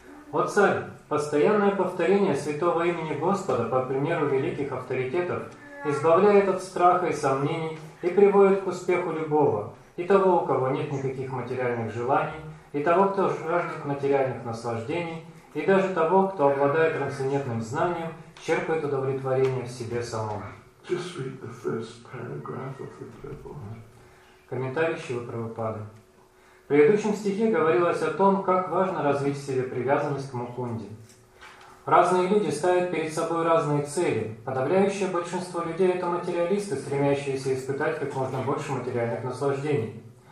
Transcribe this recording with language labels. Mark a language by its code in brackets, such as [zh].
[ru] О царь, постоянное повторение святого имени Господа по примеру великих авторитетов избавляет от страха и сомнений и приводит к успеху любого, и того, у кого нет никаких материальных желаний, и того, кто жаждет материальных наслаждений, и даже того, кто обладает трансцендентным знанием, черпает удовлетворение в себе самом. [en] Just read the first paragraph of the Prabhupada. [ru] Комментарий Шрилы Прабхупады. В предыдущем стихе говорилось о том, как важно развить в себе привязанность к Мукунде. Разные люди ставят перед собой разные цели. Подавляющее большинство людей – это материалисты, стремящиеся испытать как можно больше материальных наслаждений.